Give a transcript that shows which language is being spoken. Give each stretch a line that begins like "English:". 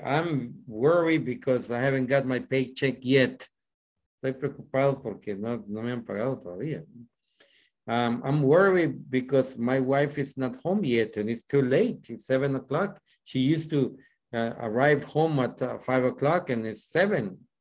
English: I'm worried because I haven't got my paycheck yet.
Spanish: Estoy preocupado porque no me han pagado todavía.
English: I'm worried because my wife is not home yet and it's too late. It's 7 o'clock. She used to arrive home at 5 o'clock and it's 7.